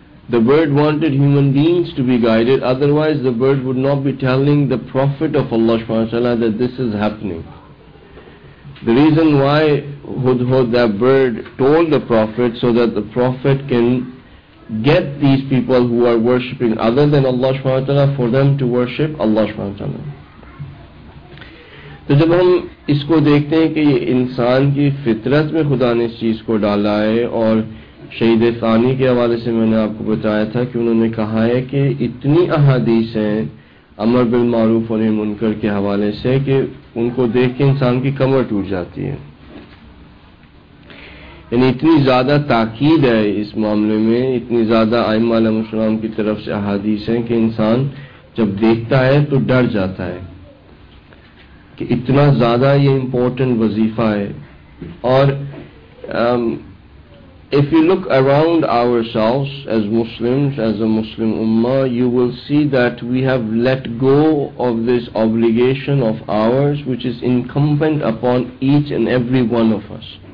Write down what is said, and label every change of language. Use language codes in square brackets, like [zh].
[en] The bird wanted human beings to be guided, otherwise the bird would not be telling the Prophet of Allah subhanahu wa ta'ala that this is happening. The reason why Hudhud, that bird, told the Prophet so that the Prophet can get these people who are worshipping other than Allah subhanahu wa ta'ala for them to worship Allah subhanahu wa ta'ala. [ur] تو جب ہم اس کو دیکھتے ہیں کہ یہ انسان کی فطرت میں خدا نے اس چیز کو ڈالا ہے, اور شہید ثانی کے حوالے سے میں نے آپ کو بتایا تھا کہ انہوں نے کہا ہے کہ اتنی احادیث ہیں امر بالمعروف و نہی عن المنکر کے حوالے سے کہ ان کو دیکھ کے انسان کی کمر ٹوٹ جاتی ہے. یعنی اتنی زیادہ تاکید ہے اس معاملے میں, اتنی زیادہ ائمہ علیہ السلام کی طرف سے احادیث ہیں کہ انسان جب دیکھتا ہے تو ڈر جاتا ہے کہ اتنا زیادہ یہ امپورٹنٹ وظیفہ ہے. [en] اور if you look around ourselves as Muslims, as a Muslim ummah, you will see that we have let go of this obligation of ours which is incumbent upon each and every one of us.